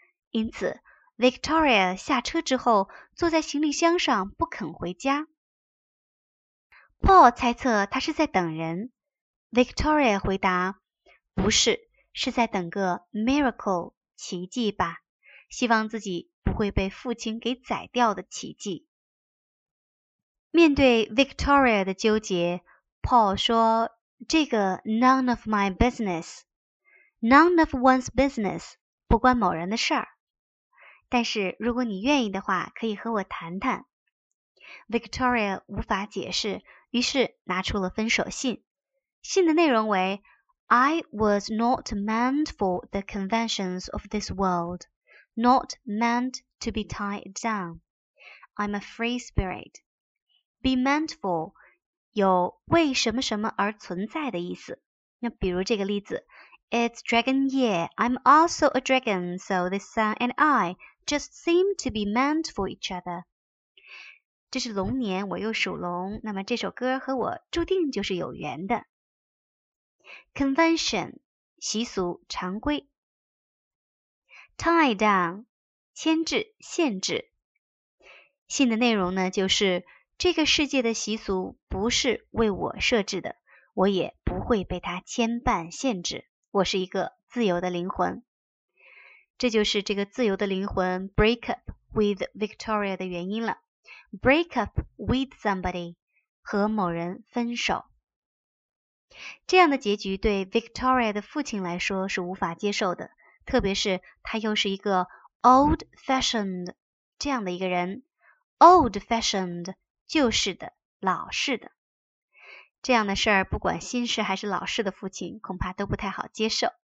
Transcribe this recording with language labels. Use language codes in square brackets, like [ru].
[zh] 因此Victoria 下车之后坐在行李箱上不肯回家。 Paul 猜测他是在等人。Victoria 回答，不是，是在等个 miracle 奇迹吧，希望自己不会被父亲给宰掉的奇迹。面对 Victoria 的纠结， Paul 说，这个 [en] none of my business， none of one's business， [zh] 不关某人的事儿。但是如果你愿意的话可以和我谈谈。Victoria 无法解释，于是拿出了分手信。信的内容为， [en] I was not meant for the conventions of this world, not meant to be tied down. I'm a free spirit. Be meant for [zh] 有为什么什么而存在的意思。那比如这个例子， [en] It's dragon year, I'm also a dragon, so the sun and I,just seem to be meant for each other. [zh] 这是龙年，我又属龙，那么这首歌和我注定就是有缘的。 [en] Convention, [zh] 习俗、常规。 [en] Tie down, [zh] 牵制、限制。信的内容呢，就是这个世界的习俗不是为我设置的，我也不会被它牵绊限制，我是一个自由的灵魂。这就是这个自由的灵魂 [en] break up with [zh] Victoria 的原因了。 [en] break up with somebody， [zh] 和某人分手。这样的结局对 Victoria 的父亲来说是无法接受的，特别是他又是一个 [en] old fashioned [zh] 这样的一个人。 [en] old fashioned， [zh] 旧式的，老式的。这样的事儿，不管新式还是老式的父亲，恐怕都不太好接受。